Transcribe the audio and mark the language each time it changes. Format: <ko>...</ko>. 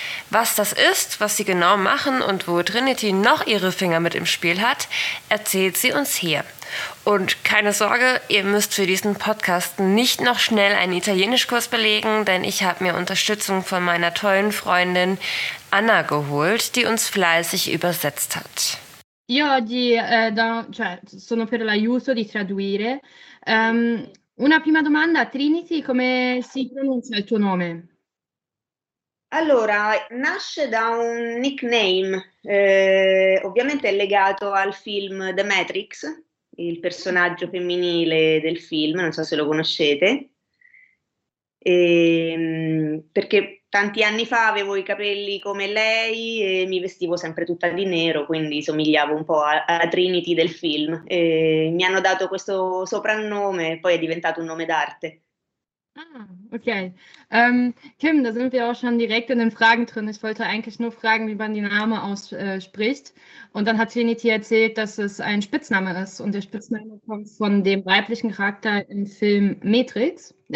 <de>Was das ist, was sie genau machen und wo Trinity noch ihre Finger mit im Spiel hat, erzählt sie uns hier. Und keine Sorge, ihr müsst für diesen Podcast nicht noch schnell einen Italienischkurs belegen, denn ich habe mir Unterstützung von meiner tollen Freundin Anna geholt, die uns fleißig übersetzt hat.</de> <it>Io oggi cioè, sono per l'aiuto di traduire. Una prima domanda, Trinity, come si pronuncia il tuo nome? Allora, nasce da un nickname, ovviamente legato al film The Matrix, il personaggio femminile del film, non so se lo conoscete, e, perché tanti anni fa avevo i capelli come lei e mi vestivo sempre tutta di nero, quindi somigliavo un po' alla Trinity del film. E mi hanno dato questo soprannome e poi è diventato un nome d'arte. Ah, okay.</it> <de>Kim, da sind wir auch schon direkt in den Fragen drin. Ich wollte eigentlich nur fragen, wie man die Namen ausspricht. Und dann hat Trinity erzählt, dass es ein Spitzname ist. Und der Spitzname kommt von dem weiblichen Charakter im Film Matrix.</de>